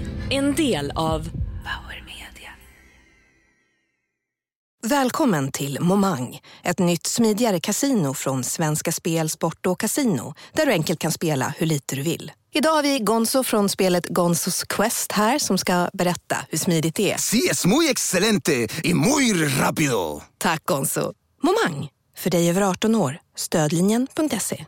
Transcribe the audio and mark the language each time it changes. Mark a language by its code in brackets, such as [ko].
[sv] En del av Power Media. Välkommen till Momang, ett nytt smidigare kasino från Svenska Spel, Sport och Casino, där du enkelt kan spela hur lite du vill. Idag har vi Gonzo från spelet Gonzos Quest här som ska berätta hur smidigt det är. [es] Sí, es muy excelente y muy rápido. [sv] Tack, Gonzo. Momang, för dig över 18 år. Stödlinjen.se.